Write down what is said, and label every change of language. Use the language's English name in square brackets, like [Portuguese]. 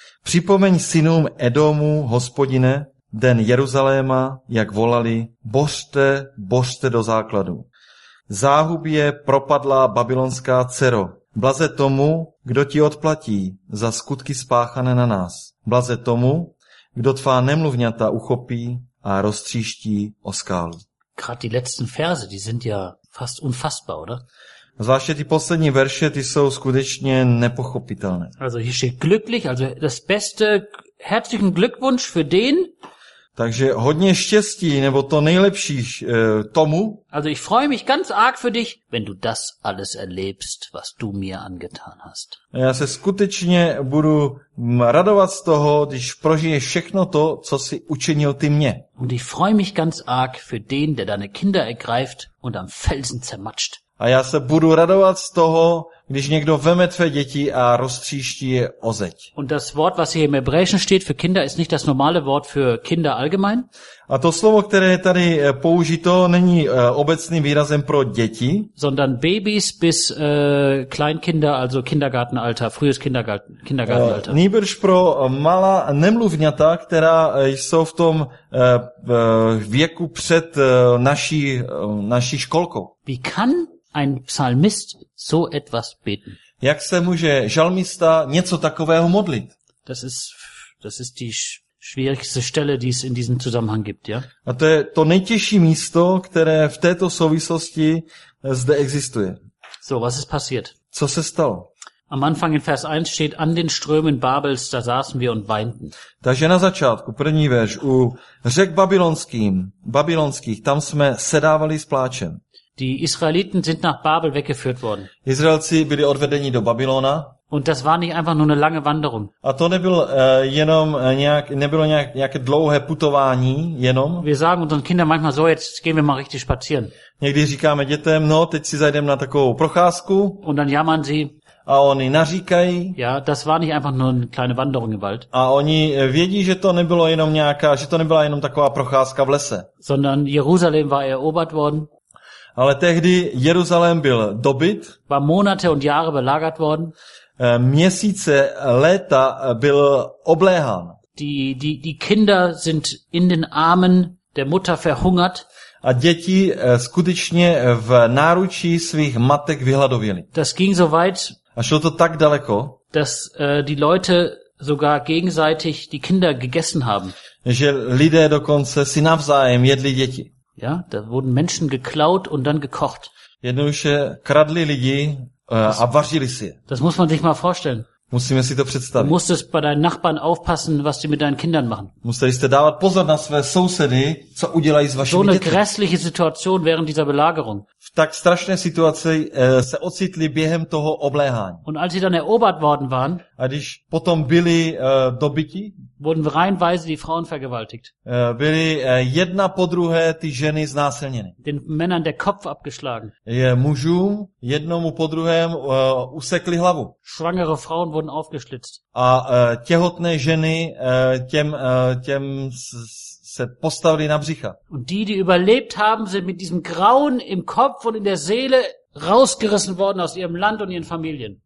[Czech] Připomeň synům Edomu, Hospodine, den Jeruzaléma, jak volali, bořte, bořte do základu. Záhubě propadla babylonská dcero. Blaze tomu, kdo ti odplatí za skutky spáchané na nás. Blaze tomu, kdo tvá nemluvňata uchopí a roztříští o skálu. [German] Gerade die letzten Verse, die sind ja fast unfassbar, oder? [Czech] Zvláště ty poslední verše, ty jsou skutečně nepochopitelné. [German] Also hier steht glücklich, also das beste, herzlichen Glückwunsch für den. [Czech] Takže hodně štěstí nebo to nejlepší tomu. [German] Also ich freue mich ganz arg für dich, wenn du das alles erlebst, was du mir angetan hast. [Czech] Já se skutečně budu radovat z toho, když prožiješ všechno to, co jsi učinil ty mně. [German] Und ich freue mich ganz arg für den, der deine Kinder ergreift und am Felsen zermatscht. [Czech] A já se budu radovat z toho, Když někdo veme tvé děti a roztříští je o zeď. [German] Und das Wort, was hier im Hebräischen steht für Kinder, ist nicht das normale Wort für Kinder allgemein. [Czech] A to slovo, které je tady použito, není obecným výrazem pro děti, [German] sondern Babys bis Kleinkinder, also Kindergartenalter, frühes Kindergartenalter. [Czech] Nýbrž pro malá nemluvňata, která jsou v tom věku před naší školkou. [German] Wie kann ein Psalmist so etwas beten? [Czech] Jak se může žalmista něco takového modlit? [German] Das ist die schwierigste Stelle, die es in diesem Zusammenhang gibt, ja? [Czech] A to je to nejtěžší místo, které v této souvislosti zde existuje. [German] So, was ist passiert? [Czech] Co se stalo? [German] Am Anfang in Vers 1 steht, an den Strömen Babels, da saßen wir und weinten. [Czech] Takže na začátku, první verš, u řek babylonských, tam jsme sedávali s pláčem. [German] Die Israeliten sind nach Babel weggeführt worden. [Czech] Izraelci byli odvedeni do Babylona. [German] Und das war nicht einfach nur eine lange Wanderung. [Czech] A to nebylo nějaké dlouhé putování jenom. [German] Wir sagen unseren Kindern manchmal so, jetzt gehen wir mal richtig spazieren. [Czech] Někdy říkáme dětem, no, teď si zajdeme na takovou procházku. [German] Und dann jammern sie. [Czech] A oni naříkají. [German] Ja, das war nicht einfach nur eine kleine Wanderung im Wald. [Czech] A oni vědí, že to nebylo jenom nějaká, že to nebyla jenom taková procházka v lese. [German] Sondern Jerusalem war erobert worden. [Czech] Ale tehdy Jeruzalém byl dobyt. [German] War Monate und Jahre belagert worden. [Czech] Měsíce, léta byl obléhán. [German] Die Kinder sind in den Armen der Mutter verhungert. [Czech] A děti skutečně v náručí svých matek vyhladověly. [German] Das ging so weit. [Czech] A šlo to tak daleko, [German] dass die Leute sogar gegenseitig die Kinder gegessen haben. [Czech] Že lidé dokonce si navzájem jedli děti. [German] Ja, da wurden Menschen geklaut und dann gekocht. [Czech] Jednoduše kradli lidi a vařili si je. [German] Das muss man sich mal vorstellen. [Czech] Musíme si to představit. [German] Du musstest bei deinen Nachbarn aufpassen, was die mit deinen Kindern machen. [Czech] Museli jste dávat pozor na své sousedy, co udělají s vašimi dětmi. [German] So eine grässliche Situation während dieser Belagerung. [Czech] V tak strašné situaci se ocitli během toho obléhání. [German] Und als sie dann erobert worden waren, [Czech] a když potom byli dobyti, [German] wurden reihenweise die Frauen vergewaltigt. [Czech] Byli jedna po druhé ty ženy znásilněny. [German] Den Männern der Kopf abgeschlagen. [Czech] Je mužům jednomu po druhém usekli hlavu. [German] Schwangere Frauen wurden aufgeschlitzt. [Czech] A těhotné ženy těm se postavili na břicha. [German] Und die überlebt haben, sind mit diesem Grauen im Kopf und in der Seele rausgerissen worden aus ihrem Land und ihren Familien.